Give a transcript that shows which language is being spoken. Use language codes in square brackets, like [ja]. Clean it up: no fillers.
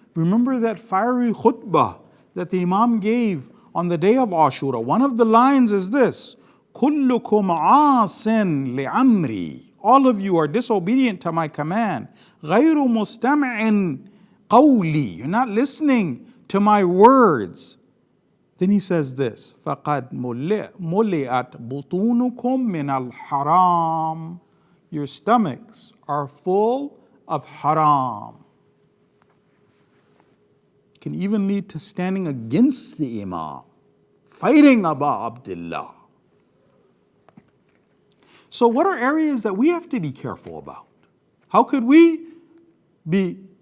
[en] Remember that fiery khutbah that the Imam gave on the day of Ashura. One of the lines is this: [ar] Kullukum asin li'amri. [en] All of you are disobedient to my command. [ar] غَيْرُ مُسْتَمْعٍ قَوْلِي. [en] You're not listening to my words. Then he says this, [ar] فَقَدْ مُلِئَتْ بُطُونُكُمْ مِنَ الْحَرَامِ. [en] Your stomachs are full of haram. Can even lead to standing against the Imam, fighting Aba Abdullah. So what are areas that we have to be careful about? How could we be?